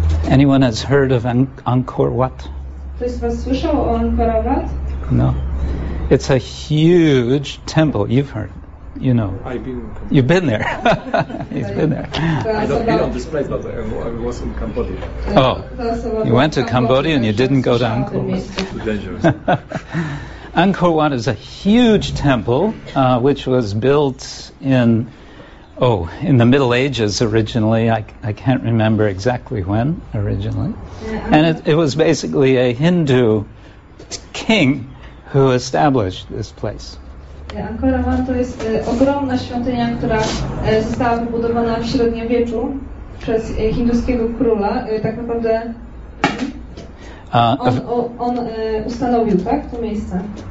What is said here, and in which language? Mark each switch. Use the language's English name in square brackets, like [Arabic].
[English] Anyone has heard of Angkor Wat? [Polish] Ktoś z was słyszał o Angkor Wat? [English] No. It's a huge temple. You've heard. You know. I've been in Cambodia. You've been there. He's been there. I don't been on this place, but I was in Cambodia. Oh, you went to Cambodia and you didn't go to Angkor. It's too dangerous. Angkor Wat is a huge temple, which was built in the Middle Ages originally. I can't remember exactly when originally. And it was basically a Hindu king who established this place. [Polish] Angkor Wat to jest ogromna świątynia, która została wybudowana w średniowieczu przez hinduskiego króla. Tak naprawdę on ustanowił, tak, to miejsce.